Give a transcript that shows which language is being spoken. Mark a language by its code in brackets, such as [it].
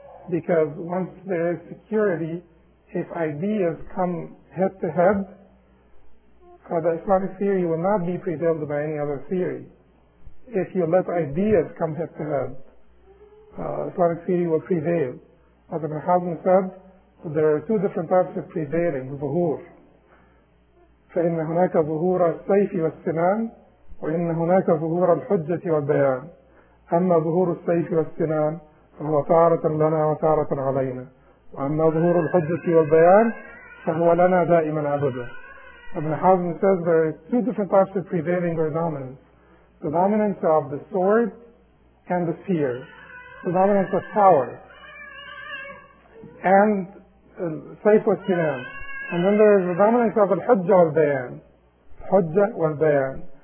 [en] Because once there is security, if ideas come head to head, the Islamic theory will not be prevailed by any other theory. If you let ideas come head to head, Islamic theory will prevail. As Ibn Hazm said, there are two different types of prevailing, zuhur. [ar] فَإِنَّ هُنَاكَ ظُهُورَ السَّيْفِ وَالسِّنَانِ وَإِنَّ هُنَاكَ ظُهُورَ الْحُجَّةِ وَالْبَيَانِ أَمَّا ظُهُورُ السَّيْفِ وَالسِّنَانِ فهو تارة لنا وتارة علينا وأما ظهور الحجة والبيان فهو لنا دائما أبدا. [en] Ibn Hazm says there are two different types of prevailing or dominance. The dominance of the sword and the spear. The dominance of power. And Sayf wa Sinan. And then there is the dominance of al-Hujjah wal-Bayan. Hujjah wal-Bayan.